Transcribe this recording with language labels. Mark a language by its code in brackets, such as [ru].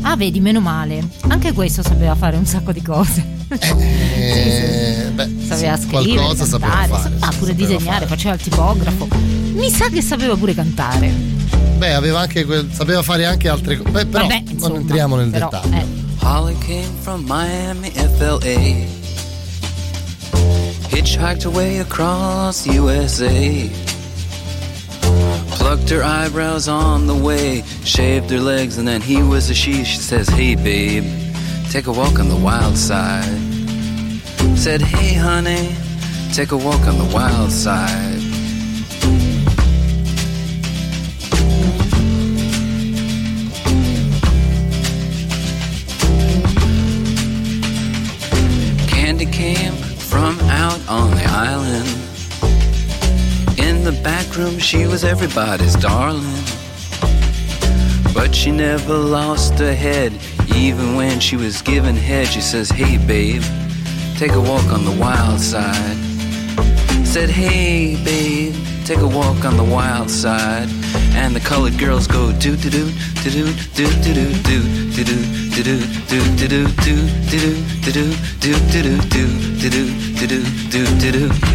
[it] Ah, vedi, meno male, anche questo sapeva fare un sacco di cose. Sapeva scrivere, qualcosa cantare, sapeva fare, pure disegnare, fare. Faceva il tipografo, mi sa che sapeva pure cantare. Beh, aveva anche sapeva fare anche altre cose. Beh, però, vabbè, insomma, non entriamo nel dettaglio. [en] Holly came from Miami, FLA. Hitchhiked away across USA. Plucked her eyebrows on the way. Shaved her legs and then he was a she. She says, hey babe, take a walk on the wild side. Said, hey honey, take a walk on the wild side. Came from out on the island. In the back room she was everybody's darling. But she never lost her head, even when she was given head. She says, hey babe, take a walk on the wild side. Said, hey babe, take a walk on the wild side. and the colored girls go do do do do do do do do do do do do do do do do do do do do do do do do do do do do do do do do.